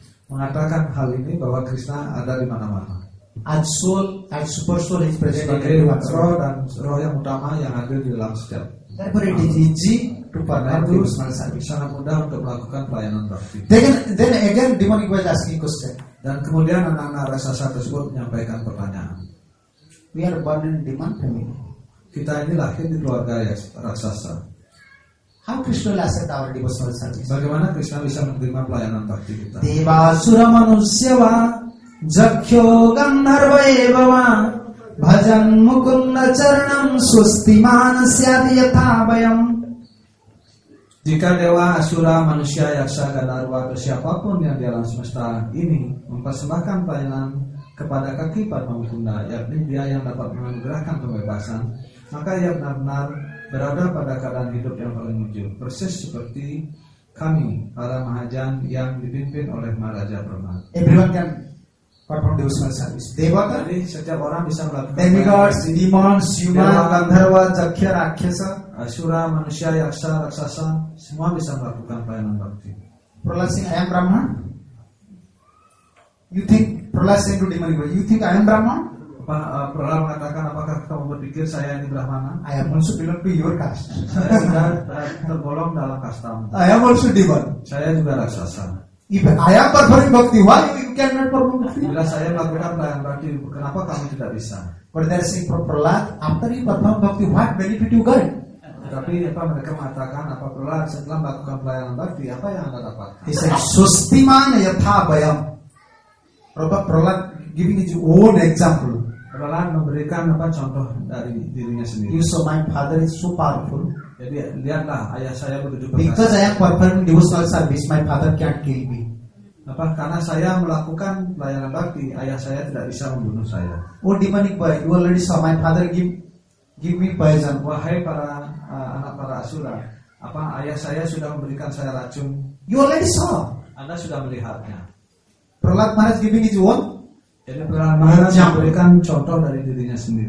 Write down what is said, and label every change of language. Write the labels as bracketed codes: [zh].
[id] Mengatakan hal ini bahwa Krishna ada di mana-mana. [en] And soul, and super soul is present everywhere. [id] Jadi roh dan roh yang utama yang hadir di dalam setiap. [en] Therefore it is easy to perform this. [id] Sangat mudah untuk melakukan pelayanan bhakti. [en] Then again demonic was asking question. [id] Dan kemudian anak-anak raksasa tersebut menyampaikan pertanyaan. [en] We are born in demon family. [id] Kita ini lahir di keluarga ya, raksasa. [en] How Krishna will accept our devotional service? [id] Bagaimana Krishna bisa menerima pelayanan bhakti kita? [sa] Devasura manusia va jakhyo gandharva eva va bhajan mukunda charanam swasti manasyati yathabhayam. [id] Jika dewa, asura, manusia, yaksa, gandharva atau siapapun yang di alam semesta ini mempersembahkan pelayanan kepada kaki Padma Mukunda, yakni dia yang dapat menggerakkan pembebasan, maka ia benar-benar berada pada keadaan hidup yang paling ujung, persis seperti kami para mahajan yang dipimpin oleh Maharaja Brahma. [en] Everyone can perform devotional service. [id] Dewa kan? Jadi setiap orang bisa melakukan. [en] Demigods, demons, human, [id] gandharva, jakhya, rakshasa, asura, manusia, yaksa, raksasa, semua bisa melakukan pelayanan bhakti. [en] Prahlad Singh, I am Brahma. You think Prahlad Singh to demon? You think I am Brahma? [id] Prahlad mengatakan, apakah kamu berpikir saya ini Brahmana? [en] I am also belong to your caste. [id] Saya sudah tergolong dalam kastamu. [en] I am also demon. [id] Saya juga raksasa. [en] If I am performing bhakti, why you cannot perform bhakti? [id] Bila saya melakukan pelayanan bhakti, kenapa kamu tidak bisa? [en] But they are saying, Prahlad, after you perform bhakti, what benefit you got? [id] Tapi apa mereka mengatakan, apa Prahlad setelah melakukan pelayanan bhakti, apa yang anda dapat? [en] He said, [sa] sustiman yathabayam. [en] Prahlad giving his own example. [id] Prahlad memberikan apa contoh dari dirinya sendiri. [en] You saw my father is so powerful. [id] Jadi lihatlah ayah saya begitu perkasa. [en] Because I am performing devotional service, my father can't kill me. [id] Apa? Karena saya melakukan pelayanan bhakti, ayah saya tidak bisa membunuh saya. [en] Oh, demonic boy, you already saw my father give me poison. [id] Wahai para anak para asura, apa ayah saya sudah memberikan saya racun? [en] You already saw. [id] Anda sudah melihatnya. [en] Prahlad Maharaj giving his own. [id] Jadi Prahlad Maharaj memberikan contoh dari dirinya sendiri.